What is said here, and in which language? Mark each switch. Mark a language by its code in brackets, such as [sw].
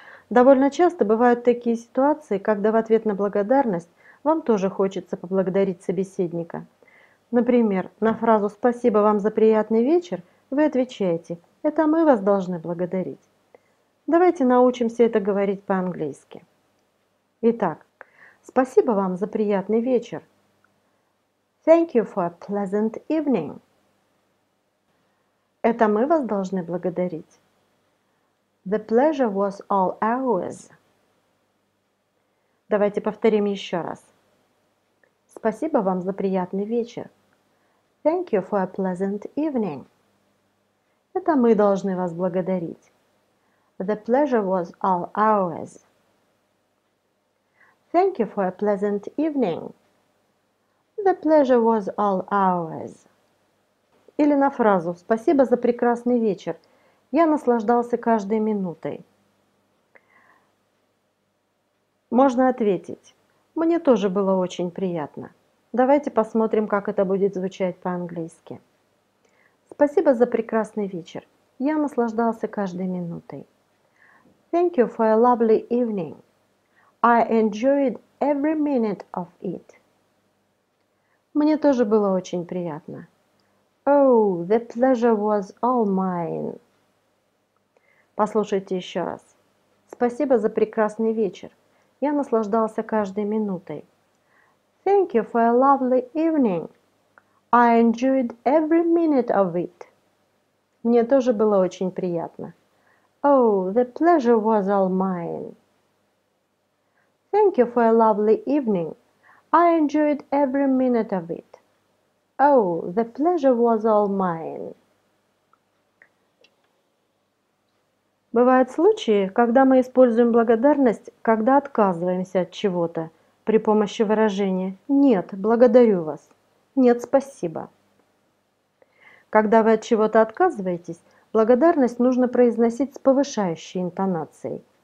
[ru] Довольно часто бывают такие ситуации, когда в ответ на благодарность вам тоже хочется поблагодарить собеседника. Например, на фразу «Спасибо вам за приятный вечер» вы отвечаете «Это мы вас должны благодарить». Давайте научимся это говорить по-английски. Итак, «Спасибо вам за приятный вечер». [en] Thank you for a pleasant evening. [ru] «Это мы вас должны благодарить». [en] The pleasure was all ours. [ru] Давайте повторим еще раз. Спасибо вам за приятный вечер. [en] Thank you for a pleasant evening. [ru] Это мы должны вас благодарить. [en] The pleasure was all ours. Thank you for a pleasant evening. The pleasure was all ours. [ru] Или на фразу «Спасибо за прекрасный вечер». Я наслаждался каждой минутой. Можно ответить. Мне тоже было очень приятно. Давайте посмотрим, как это будет звучать по-английски. Спасибо за прекрасный вечер. Я наслаждался каждой минутой. [en] Thank you for a lovely evening. I enjoyed every minute of it. [ru] Мне тоже было очень приятно. [en] Oh, the pleasure was all mine. [ru] Послушайте еще раз. Спасибо за прекрасный вечер. Я наслаждался каждой минутой. [en] Thank you for a lovely evening. I enjoyed every minute of it. [ru] Мне тоже было очень приятно. [en] Oh, the pleasure was all mine. Thank you for a lovely evening. I enjoyed every minute of it. Oh, the pleasure was all mine. [ru] Бывают случаи, когда мы используем благодарность, когда отказываемся от чего-то при помощи выражения «нет, благодарю вас», «нет, спасибо». Когда вы от чего-то отказываетесь, благодарность нужно произносить с повышающей интонацией.